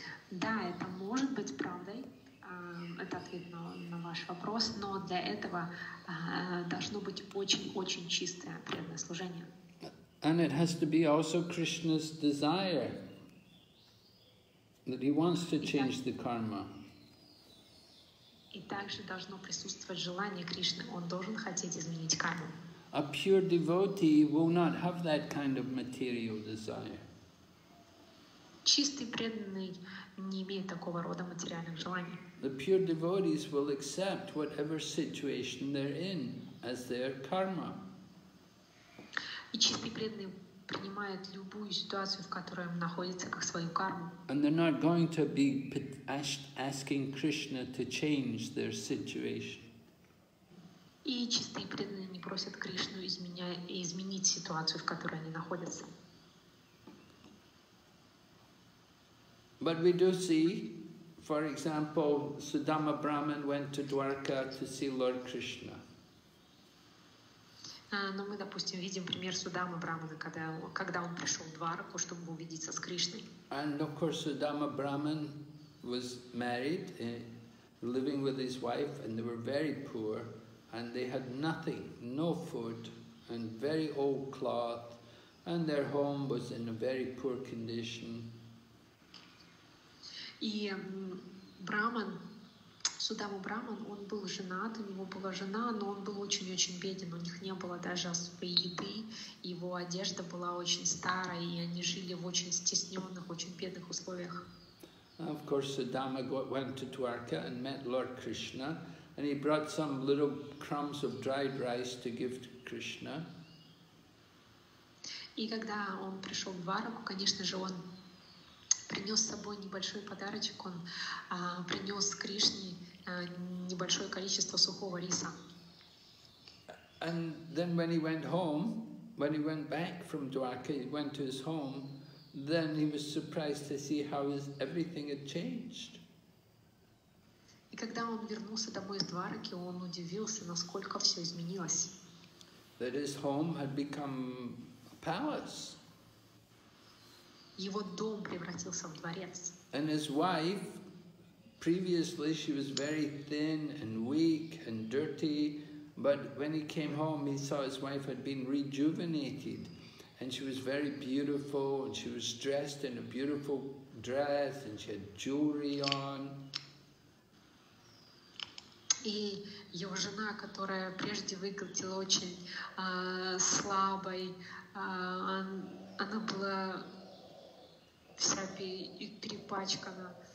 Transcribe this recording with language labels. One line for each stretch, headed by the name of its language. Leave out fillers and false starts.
Russian: Да, это может быть правдой. Это ответ на ваш вопрос, но для этого должно быть очень-очень чистое преданное служение.
English: And it has to be also Krishna's desire, that he wants to change the karma.
Russian: И также должно присутствовать желание Кришны, он должен хотеть изменить карму.
English: A pure devotee will not have that kind of material desire.
Russian: Чистый преданный не имеет такого рода материальных желаний.
English: The pure devotees will accept whatever situation they're in as their karma.
Russian: И чистые преданные принимают любую ситуацию, в которой они находятся, как свою карму.
English: And they're not going to be asking Krishna to change their situation.
Russian: И чистые преданные не просят Кришну изменить ситуацию, в которой они находятся.
English: But we do see, for example, Sudama Brahman went to Dwarka to see Lord Krishna.
Russian: Но мы, допустим, видим пример Судамы Брамана, когда он пришел в Дварку, чтобы увидеться с Кришной.
English: And of course, Sudama Brahman was married, living with his wife, and they were very poor, and they had nothing, no food, and very old cloth, and their home was in a very poor condition.
Russian: И Брахман, Судама Брахман, он был женат, у него была жена, но он был очень-очень беден, у них не было даже своей еды, его одежда была очень старая, и они жили в очень стесненных, очень бедных условиях.
English: Of course, Sudama went to Dwarka and met Lord Krishna, and he brought some little crumbs of dried rice to give to Krishna.
Russian: И когда он пришел в Дварку, конечно же, он принес с собой небольшой подарочек, он принес Кришне небольшое количество сухого риса.
English: And then when he went home, when he went back from Dwarka, he went to his home, then he was surprised to see how everything had changed.
Russian: И когда он вернулся домой из Двараки, он удивился, насколько все изменилось.
English: That his home had become a palace.
Russian: Его дом превратился в дворец.
English: And his wife, previously she was very thin and weak and dirty, but when he came home he saw his wife had been rejuvenated and she was very beautiful and she was dressed in a beautiful dress and she had jewelry on.
Russian: И его жена, которая прежде выглядела очень слабой, она была вся перепачкана,